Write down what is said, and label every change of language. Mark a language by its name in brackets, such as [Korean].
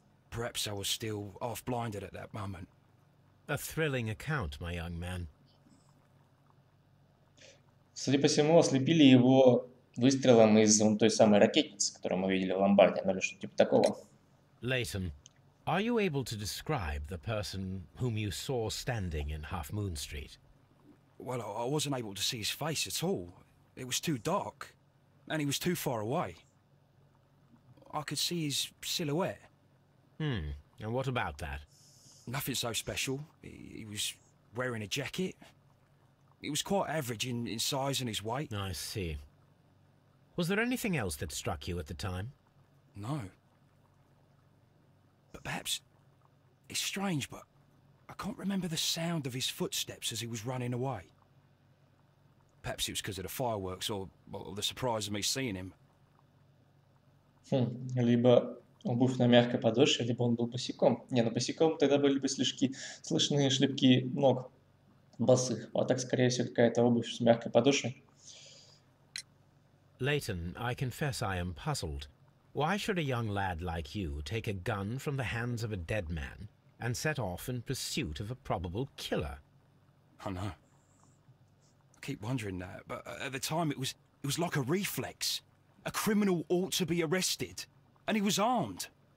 [English] Perhaps I was still half blinded at that moment. A thrilling account, my young man. [Russian] Судя по всему, ослепили его выстрелом из той самой ракетницы, которую мы видели в ломбарде, или что-то типа такого. [English] Layton, are you able to describe the person whom you saw standing in Half Moon Street? Well, I wasn't able to see his face at all. It was too dark, and he was too far away. I could see his silhouette. Hmm, and what about that? Nothing so special. He was wearing a jacket. He was quite average in size and his weight. I see. Was there anything else that struck you at the time? No. But perhaps, it's strange, but I can't remember the sound of his footsteps as he was running away. Perhaps it was because of the fireworks or the surprise of me seeing him. [Russian] Либо обувь на мягкой подошве, либо он был босиком. Не, ну босиком тогда были бы слышные шлепки ног босых. А так, скорее всего, какая-то обувь с мягкой подошвой. [English] Layton, I confess I am puzzled. Why should a young lad like you take a gun from the hands of a dead man and set off in pursuit of a probable killer? I know. I keep wondering that, but at the time it was like a reflex. A criminal ought to be arrested, and he was armed.